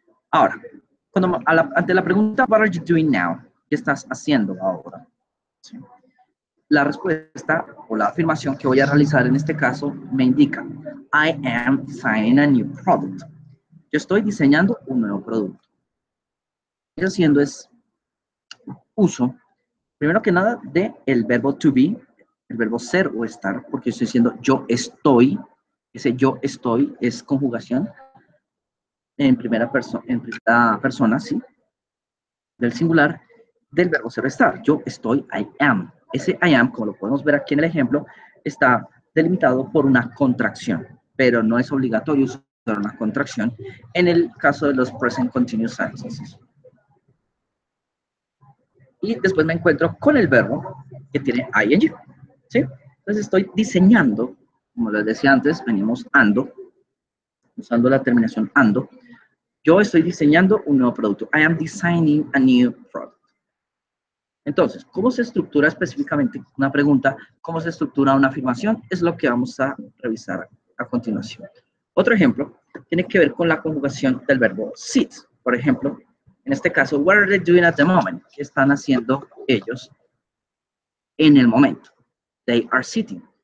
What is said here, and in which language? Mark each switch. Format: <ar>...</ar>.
<es>Ahora, ante la pregunta,</es> <en>what are you doing now?</en> <es>¿Qué estás haciendo ahora? ¿Sí? La respuesta o la afirmación que voy a realizar en este caso me indica,</es> <en>I am designing a new product.</en> <es>Yo estoy diseñando un nuevo producto. Haciendo es uso, primero que nada, de el verbo to be, el verbo ser o estar, porque estoy diciendo yo estoy, ese yo estoy es conjugación en primera persona, ¿sí? Del singular, del verbo ser o estar, yo estoy,</es> <en>I am,</en> <es>Ese I am, como lo podemos ver aquí en el ejemplo, está delimitado por una contracción, pero no es obligatorio usar una contracción en el caso de los present continuous sentences. Y después me encuentro con el verbo que tiene ing, ¿sí? Entonces estoy diseñando, como les decía antes, venimos ando, usando la terminación ando. Yo estoy diseñando un nuevo producto.</es> <en>I am designing a new product.</en> <es>Entonces, ¿cómo se estructura específicamente una pregunta? ¿Cómo se estructura una afirmación? Es lo que vamos a revisar a continuación. Otro ejemplo tiene que ver con la conjugación del verbo sit. Por ejemplo, en este caso,</es> <en>what are they doing at the moment?</en> <es>¿Qué están haciendo ellos en el momento?</es> <en>They are sitting.</en>